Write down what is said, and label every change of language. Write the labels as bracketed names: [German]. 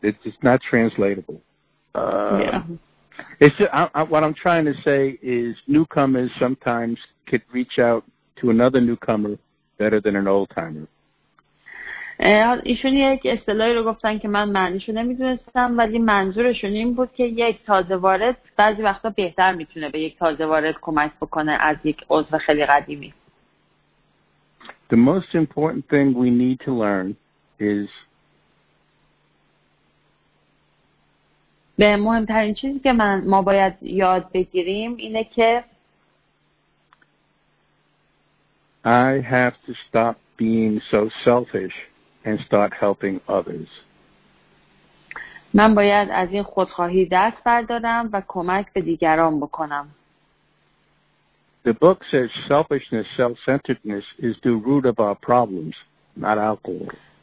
[English] It's not translatable. It's just, what I'm trying to say is newcomers sometimes could reach out to another newcomer better than an old timer. [Persian] ایشون یک اصطلاحی رو گفتن که من معنیشو نمیدونستم ولی منظورشون این بود که یک تازه وارد بعضی وقتا بهتر میتونه به یک تازه وارد کمک بکنه از یک عضو خیلی قدیمی. [English] The most important thing we need to learn is [Persian] به مهمترین چیزی که ما باید یاد بگیریم اینه که [English] I have to stop being so selfish and start helping others. [Persian] من باید از این خودخواهی دست بردارم و کمک به دیگران بکنم. [English] The book says selfishness, self-centeredness is the root of our problems, not alcohol.